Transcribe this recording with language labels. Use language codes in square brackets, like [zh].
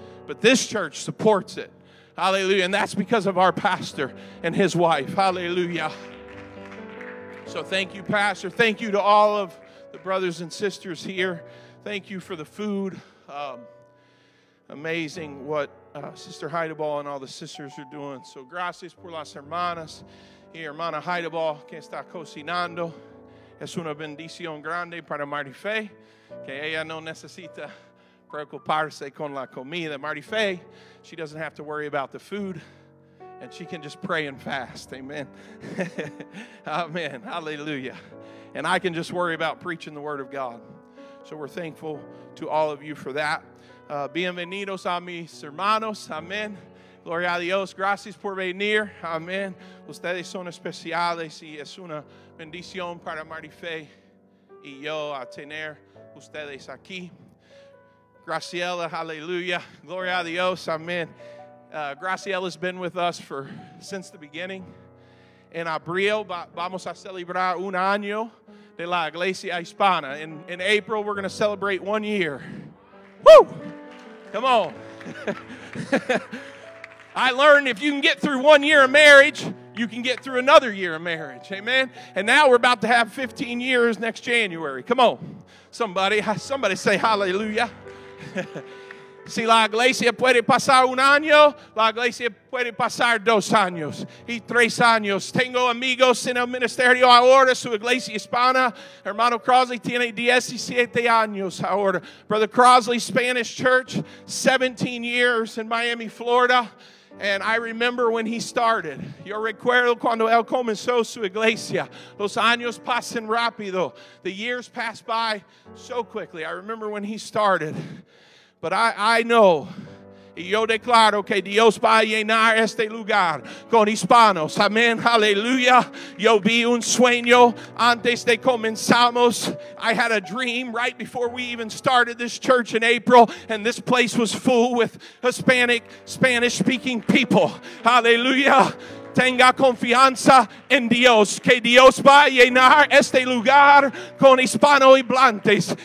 [en] But this church supports it. Hallelujah. And that's because of our pastor and his wife. Hallelujah. So thank you, Pastor. Thank you to all of the brothers and sisters here. Thank you for the food. Amazing what Sister Hideball and all the sisters are doing. [es] So gracias por las hermanas. Y hermana Hideball, que está cocinando. Es una bendición grande para Marife, que ella no necesita preocuparse con la comida. [en] Marife, she doesn't have to worry about the food. And she can just pray and fast. Amen. Amen. Hallelujah. And I can just worry about preaching the word of God. So we're thankful to all of you for that. [es] Bienvenidos a mis hermanos. Amen. Gloria a Dios. Gracias por venir. Amen. Ustedes son especiales y es una bendición para Marife y yo a tener ustedes aquí. Graciela, hallelujah. Gloria a Dios. Amen. [en] Graciela has been with us since the beginning. [es] En abril, vamos a celebrar un año de la Iglesia Hispana. [en] In April, we're going to celebrate 1 year. Woo! Come on. I learned if you can get through 1 year of marriage, you can get through another year of marriage. Amen? And now we're about to have 15 years next January. Come on. Somebody say hallelujah. [es] Si la iglesia puede pasar un año, la iglesia puede pasar dos años y tres años. Tengo amigos en el ministerio ahora, su iglesia hispana. Hermano Crosley tiene 17 años ahora. [en] Brother Crosley, Spanish church, 17 years in Miami, Florida. And I remember when he started. [es] Yo recuerdo cuando él comenzó su iglesia. Los años pasan rápido. [en] The years pass by so quickly. I remember when he started. But I know [es] Y yo declaro que Dios va a llenar este lugar con hispanos. Amén. Aleluya. Yo vi un sueño antes de comenzamos. I had a dream right before we even started this church in April. And this place was full with Hispanic, Spanish-speaking people. Aleluya. Tenga confianza en Dios, que Dios va a llenar este lugar con hispanohablantes.